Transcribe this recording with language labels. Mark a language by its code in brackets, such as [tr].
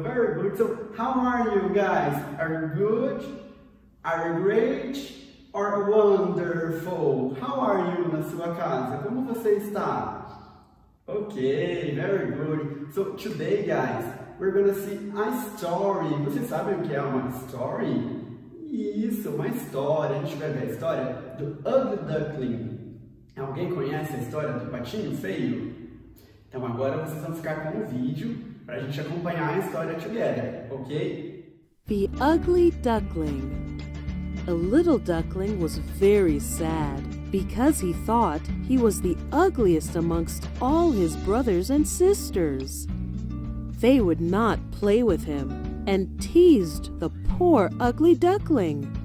[en] Very good. So, how are you guys? Are you good? Are you great? Or wonderful? How are you [pt] na sua casa? Como você está? [en] Okay, very good. So, today, guys, we're gonna see a story. [pt] Você sabe o que é uma story? Isso, uma história. A gente vai ver a história do Ugly Duckling. Alguém conhece a história do patinho feio? Então agora vocês vão ficar com o vídeo para a gente acompanhar a história together, ok? [en] The Ugly Duckling. A little duckling was very sad because he thought he was the ugliest amongst all his brothers and sisters. They would not play with him and teased the poor ugly duckling.